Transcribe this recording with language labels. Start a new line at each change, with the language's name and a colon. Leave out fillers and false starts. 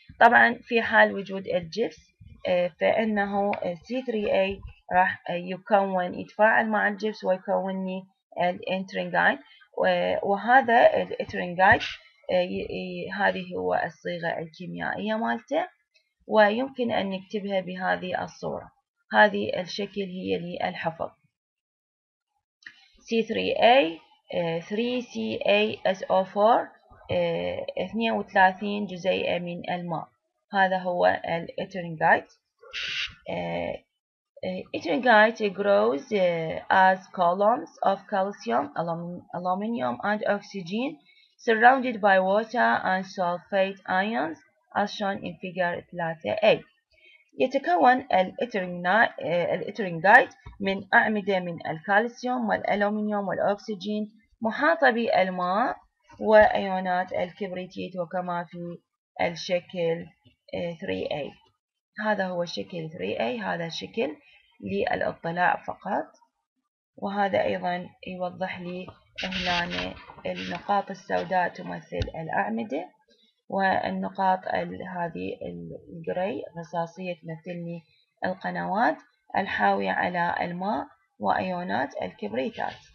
Arabic: طبعا في حال وجود الجبس فإنه C3A راح يكون يتفاعل مع الجبس ويكون الانترينجايت، وهذا الانترينجايت هذه هو الصيغة الكيميائية مالته، ويمكن أن نكتبها بهذه الصورة. هذه الشكل هي للحفظ C3A 3CaSO4 32 جزيئة من الماء، هذا هو الإترينجايت.
English: Ettringite grows as columns of calcium, aluminium and oxygen surrounded by water and sulfate ions as shown in figure 3A.
Arabic: يتكون الإترينجايت من أعمدة من الكالسيوم والألومنيوم والأكسجين محاطة بالماء وأيونات الكبريتيت، وكما في الشكل 3A. هذا هو الشكل 3A، هذا الشكل للاطلاع فقط، وهذا أيضا يوضح لي هنا النقاط السوداء تمثل الأعمدة، والنقاط هذه الجري الرصاصية تمثل لي القنوات الحاوية على الماء وأيونات الكبريتات.